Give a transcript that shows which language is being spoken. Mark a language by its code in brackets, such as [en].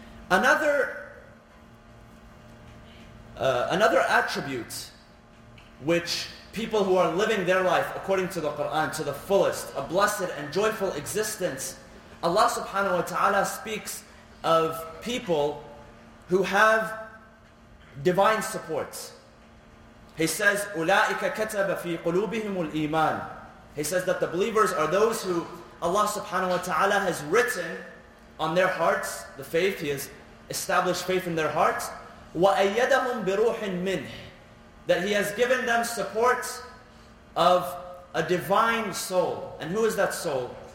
[en] Another attribute which people who are living their life according to the Quran to the fullest, a blessed and joyful existence, Allah subhanahu wa ta'ala speaks of people who have divine support. He says, [ar] أُولَٰئِكَ كَتَبَ فِي قُلُوبِهِمُ الْإِيمَانِ. [en] He says that the believers are those who Allah subhanahu wa ta'ala has written on their hearts, the faith, He has established faith in their hearts. [ar] وَأَيَّدَهُمْ بِرُوحٍ مِنْهِ. [en] That He has given them support of a divine soul. And who is that soul?